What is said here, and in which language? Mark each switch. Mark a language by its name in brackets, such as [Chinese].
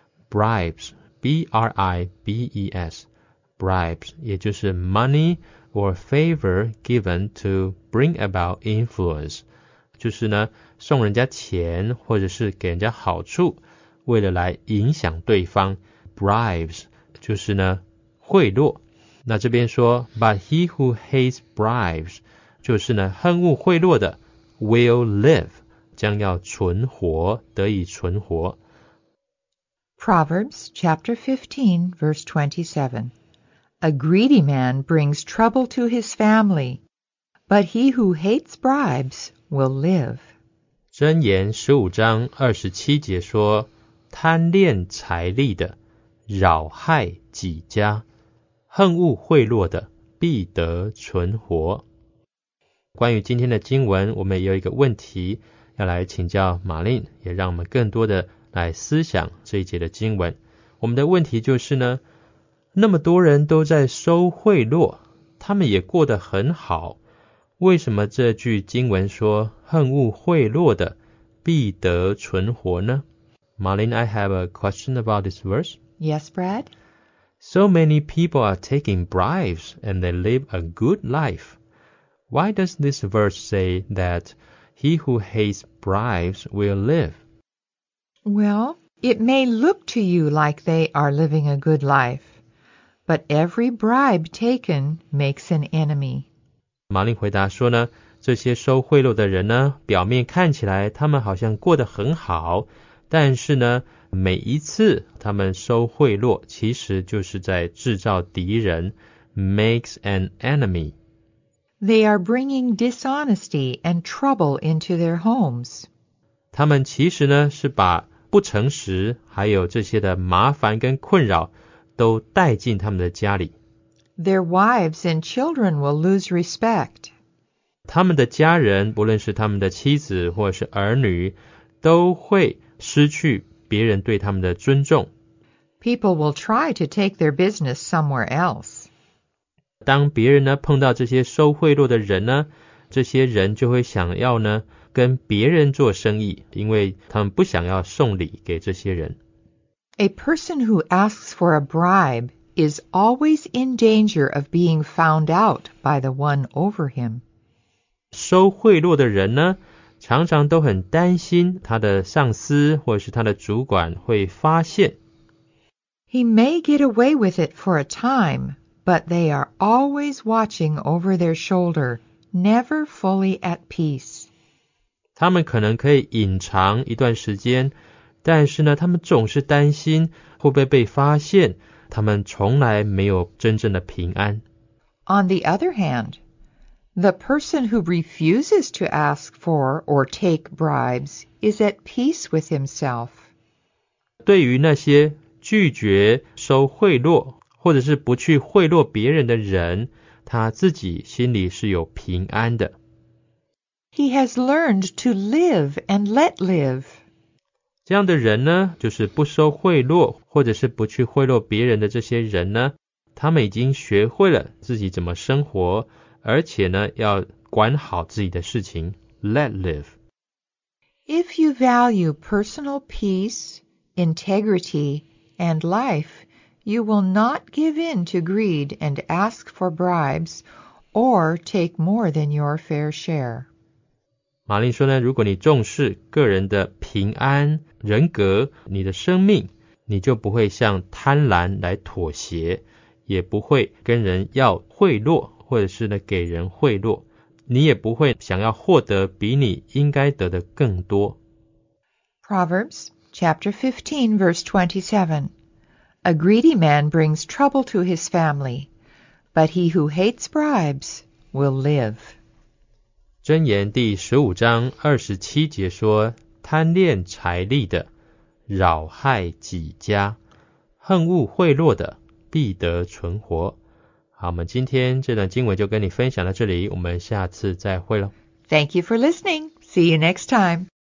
[Chinese] bribes, B-R-I-B-E-S, bribes, 也就是 [English] money or favor given to bring about influence, [Chinese] 就是呢送人家钱或者是给人家好处为了来影响对方 bribes, 就是呢贿赂。那这边说 [English] but he who hates bribes, [Chinese] 就是呢恨恶贿赂的 [English] Will live, [Chinese] 将要存活,得以存活。 [English] Proverbs chapter 15, verse 27. A greedy man brings trouble to his family, but he who hates bribes will live. [Chinese] 箴言十五章二十七节说,贪恋财利的,扰害己家,恨恶贿赂的,必得存活。关于今天的经文，我们也有一个问题要来请教玛琳，也让我们更多的来思想这一节的经文。我们的问题就是呢，那么多人都在收贿赂，他们也过得很好，为什么这句经文说恨恶贿赂的必得存活呢？ [English] Marlene, I have a question about this verse. Yes, Brad. So many people are taking bribes and they live a good life. Why does this verse say that he who hates bribes will live? Well, it may look to you like they are living a good life, but every bribe taken makes an enemy. [Chinese] 玛琳回答说呢，这些收贿赂的人呢，表面看起来他们好像过得很好，但是呢，每一次他们收贿赂，其实就是在制造敌人 ， [English] makes an enemy. They are bringing dishonesty and trouble into their homes. [Chinese] 他们其实呢，是把不诚实还有这些的麻烦跟困扰都带进他们的家里。 [English] Their wives and children will lose respect. [Chinese] 他们的家人，不论是他们的妻子或是儿女，都会失去别人对他们的尊重。 [English] People will try to take their business somewhere else. [Chinese] 当别人呢碰到这些收贿赂的人呢，这些人就会想要呢跟别人做生意，因为他们不想要送礼给这些人。 [English] A person who asks for a bribe is always in danger of being found out by the one over him. [Chinese] 收贿赂的人呢，常常都很担心他的上司或是他的主管会发现。 [English] He may get away with it for a time, but they are always watching over their shoulder, never fully at peace. [Chinese] 他们可能可以隐藏一段时间，但是呢，他们总是担心会不会被发现，他们从来没有真正的平安。 [English] On the other hand, the person who refuses to ask for or take bribes is at peace with himself. [Chinese] 对于那些拒绝收贿赂或者是不去贿赂别人的人，他自己心里是有平安的。 [English] He has learned to live and let live. [Chinese] 这样的人呢，就是不收贿赂或者是不去贿赂别人的这些人呢，他们已经学会了自己怎么生活，而且呢要管好自己的事情， [English] let live. If you value personal peace, integrity, and life, you will not give in to greed and ask for bribes or take more than your fair share. [Chinese] 玛琳说呢，如果你重视个人的平安、人格、你的生命，你就不会向贪婪来妥协，也不会跟人要贿赂或者是呢给人贿赂，你也不会想要获得比你应该得的更多。 [English] Proverbs chapter 15 verse 27. A greedy man brings trouble to his family, but he who hates bribes will live. [Chinese] 箴言第15章27节说，贪恋财利的扰害己家，恨恶贿赂的必得存活。好，我们今天这段经文就跟你分享到这里，我们下次再会咯。 [English] Thank you for listening. See you next time.